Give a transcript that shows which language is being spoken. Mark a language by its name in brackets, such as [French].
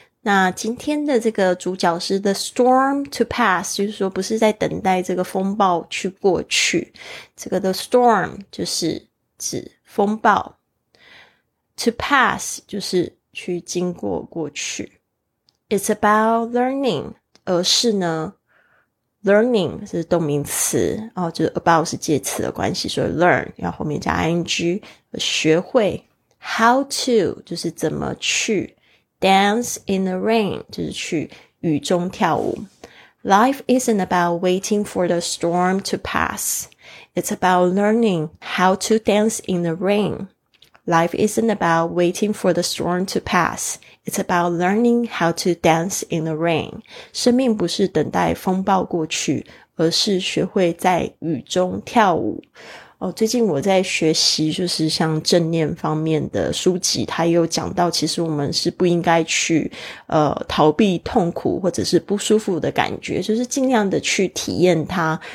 [Chinese] 那今天的这个主角是 the storm to pass，就是说不是在等待这个风暴去过去，这个 the storm 就是指风暴， to pass 就是去经过过去。 It's about learning，而是呢 learning 是动名词，就是 about 是介词的关系，所以 learn 要后面加 ing， 学会。 How to 就是怎么去。 Dance in the rain 就是去雨中跳舞。 [English] Life isn't about waiting for the storm to pass. It's about learning how to dance in the rain. Life isn't about waiting for the storm to pass. It's about learning how to dance in the rain. [Chinese] 生命不是等待风暴过去，而是学会在雨中跳舞。哦，最近我在学习就是像正念方面的书籍，它也有讲到其实我们是不应该去逃避痛苦或者是不舒服的感觉，就是尽量的去体验它。